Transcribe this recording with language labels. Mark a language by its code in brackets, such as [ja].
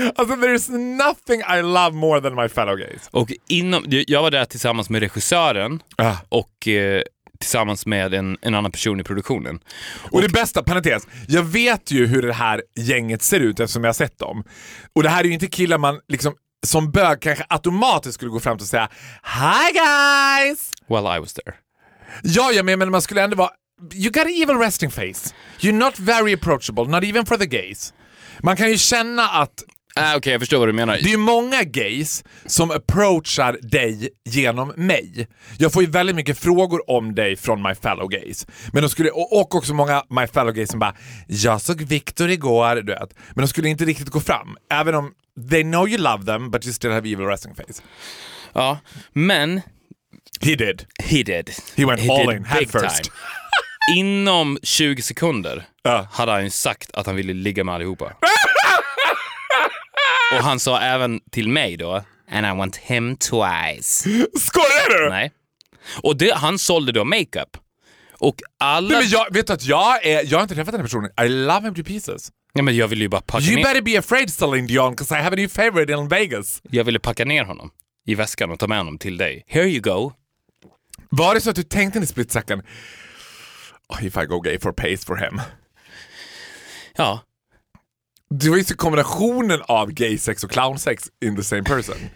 [en] Alltså, there is nothing I love more than my fellow gays. [sv] Och inom... Jag var där tillsammans med regissören. Och... tillsammans med en annan person i produktionen. Och det bästa, parentes, jag vet ju hur det här gänget ser ut eftersom jag har sett dem. Och det här är ju inte killar man liksom som bög kanske automatiskt skulle gå fram och säga [en] hi guys! Well, I was there. [sv] Ja, men man skulle ändå vara, [en] you got an evil resting face. You're not very approachable, not even for the gays. [sv] Man kan ju känna att Okej, jag förstår vad du menar. Det är många gays som approachar dig genom mig. Jag får ju väldigt mycket frågor om dig från [en] my fellow gays. [sv] Men de skulle, och också många my fellow gays som bara, jag såg Victor igår, du vet. Men de skulle inte riktigt gå fram. Även om [en] they know you love them, but you still have evil resting face. [sv] Ja, men... [en] He did. He went he all in, head first. [sv] Inom 20 sekunder hade han ju sagt att han ville ligga med allihopa. Och han sa även till mig då, [en] and I want him twice. [sv] Skojar du? Nej. Och det, han sålde då makeup. Och alla... Nej, men jag vet att jag har inte träffat den här personen. [en] I love him to pieces. [sv] Nej, men jag vill ju bara packa [en] you [sv] ner. [en] You better be afraid, Celine Dion, because I have a new favorite in Vegas. [sv] Jag ville packa ner honom i väskan och ta med honom till dig. [en] Here you go. [sv] Var det så att du tänkte i [en] split second, oh, if I go gay for pace for him? [sv] Ja. Det var ju kombinationen av gay sex och clown sex [en] in the same person.